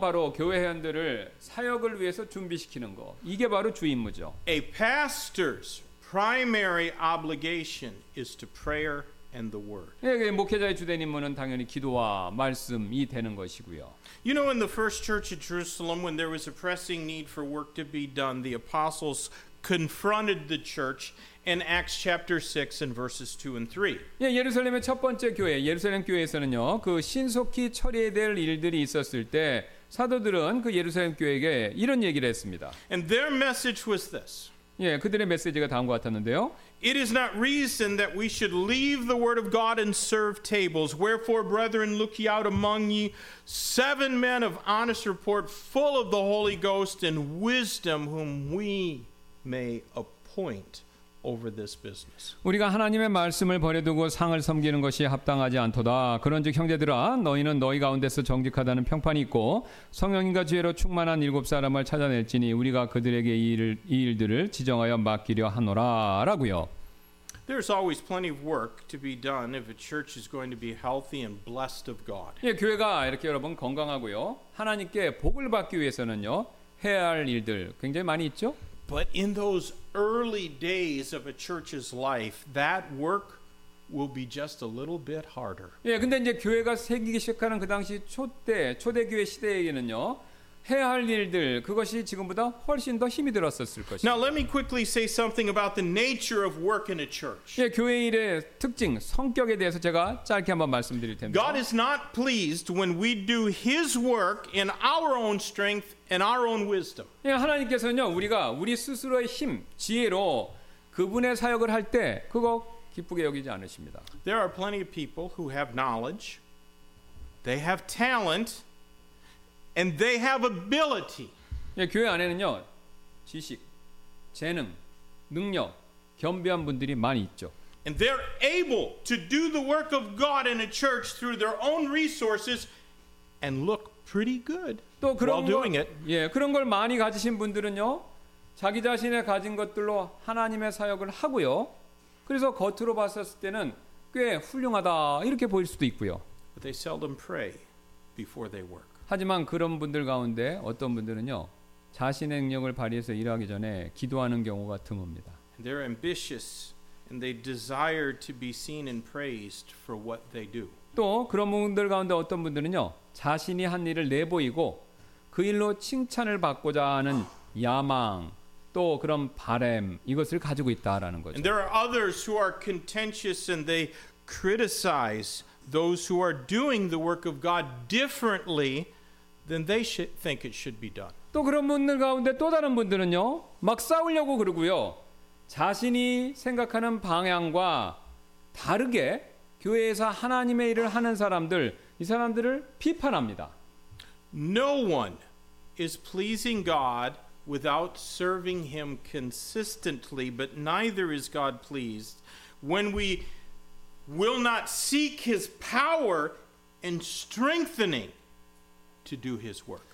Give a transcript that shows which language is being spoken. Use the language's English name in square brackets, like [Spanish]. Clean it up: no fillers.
[Korean] 바로 교회 회원들을 사역을 위해서 준비시키는 거. 이게 바로 주 임무죠. [English] A pastor's primary obligation is to prayer and the word. [Korean] 예, 목회자의 주된 임무는 당연히 기도와 말씀이 되는 것이고요. [English] You know, in the first church at Jerusalem, when there was a pressing need for work to be done, the apostles confronted the church in Acts chapter 6 and verses 2 and 3. [Korean] 예, 예루살렘의 첫 번째 교회, 예루살렘 교회에서는요, 그 신속히 처리해야 될 일들이 있었을 때 사도들은 그 예루살렘 교회에게 이런 얘기를 했습니다. [English] And their message was this. [Korean] 예, 그들의 메시지가 다음과 같았는데요. [English] It is not reason that we should leave the word of God and serve tables. Wherefore, brethren, look ye out among ye seven men of honest report, full of the Holy Ghost and wisdom, whom we may appoint over this business. [Korean] 우리가 하나님의 말씀을 버려두고 상을 섬기는 것이 합당하지 않도다. 그런즉 형제들아, 너희는 너희 가운데서 정직하다는 평판이 있고 성령님과 지혜로 충만한 일곱 사람을 찾아낼지니 우리가 그들에게 이 일들을 지정하여 맡기려 하노라라고요. [English] There's always plenty of work to be done if a church is going to be healthy and blessed of God. [Korean] 예, 교회가 이렇게 여러분 건강하고요, 하나님께 복을 받기 위해서는요 해야 할 일들 굉장히 많이 있죠. [English] But in those early days of a church's life, that work will be just a little bit harder. [Korean] 예, 근데 이제 교회가 생기기 시작하는 그 당시 초대교회 시대에는요, 해야 할 일들 그것이 지금보다 훨씬 더 힘이 들었었을 것입니다. [English] Now let me quickly say something about the nature of work in a church. [Korean] 예, 교회 일의 특징, 성격에 대해서 제가 짧게 한번 말씀드릴 텐데요. [English] God is not pleased when we do His work in our own strength and our own wisdom. [Korean] 예, 하나님께서는요, 우리가 우리 스스로의 힘, 지혜로 그분의 사역을 할 때 그거 기쁘게 여기지 않으십니다. [English] There are plenty of people who have knowledge. They have talent. And they have ability. [Korean] 예, 교회 안에는요 지식, 재능, 능력 겸비한 분들이 많이 있죠. [English] And they're able to do the work of God in a church through their own resources and look pretty good while doing it. [Korean] 예, 그런 걸 많이 가지신 분들은요 자기 자신의 가진 것들로 하나님의 사역을 하고요. 그래서 겉으로 봤었을 때는 꽤 훌륭하다 이렇게 보일 수도 있고요. [English] But they seldom pray before they work. [Korean] 하지만 그런 분들 가운데 어떤 분들은요 자신의 능력을 발휘해서 일하기 전에 기도하는 경우가 드뭅니다. [English] They're ambitious and they desire to be seen and praised for what they do. [Korean] 또 그런 분들 가운데 어떤 분들은요 자신이 한 일을 내보이고 그 일로 칭찬을 받고자 하는 야망 또 그런 바램 이것을 가지고 있다라는 거죠. [English] And there are others who are contentious and they criticize those who are doing the work of God differently than they should think it should be done. [Korean] 또 그런 분들 가운데 또 다른 분들은요 막 싸우려고 그러고요 자신이 생각하는 방향과 다르게 교회에서 하나님의 일을 하는 사람들 이 사람들을 비판합니다. [English] No one is pleasing God without serving Him consistently, but neither is God pleased when we will not seek His power and strengthening to do His work.